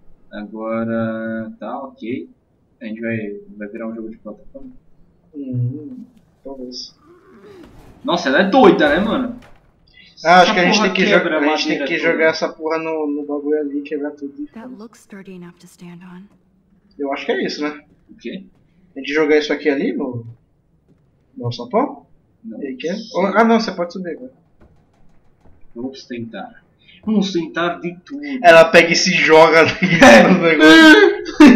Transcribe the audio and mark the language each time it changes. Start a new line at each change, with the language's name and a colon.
Portuguese: Agora. Tá, ok. A gente vai virar um jogo de plataforma. Talvez. Nossa, ela é doida, né, mano? Ah, acho que a gente tem que quebra jogar, a gente tem que jogar toda. essa porra no bagulho ali e quebrar tudo.
English: That looks sturdy enough to stand on.
Portuguese: Eu acho que é isso, né? O quê? A gente jogar isso aqui ali no sapão? Não. Ele quer? Oh, ah, não, você pode subir agora. Vamos tentar. Vamos tentar de tudo. Ela pega e se joga ali no negócio.